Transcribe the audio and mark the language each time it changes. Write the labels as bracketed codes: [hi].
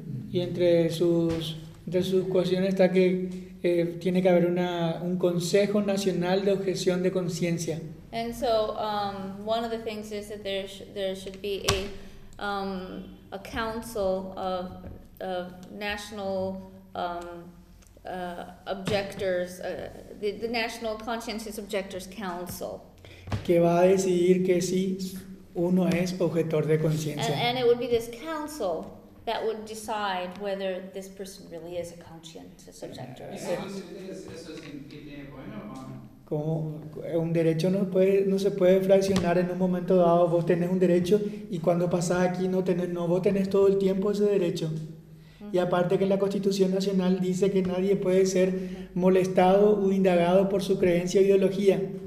[es] Y entre sus cuestiones está que tiene que haber un Consejo Nacional de Objeción de Conciencia. [en] And so one of the things is that there should be a council of national objectors, the National Conscientious Objectors Council. [es] Que va a decidir que sí, uno es objetor de conciencia. [en] And it would be this council that would decide whether this person really is a conscientious objector. [es] Como un derecho no se puede fraccionar en un momento dado, vos tenés un derecho y cuando pasás aquí vos tenés todo el tiempo ese derecho. Mm-hmm. Y aparte que la Constitución Nacional dice que nadie puede ser molestado o indagado por su creencia o ideología.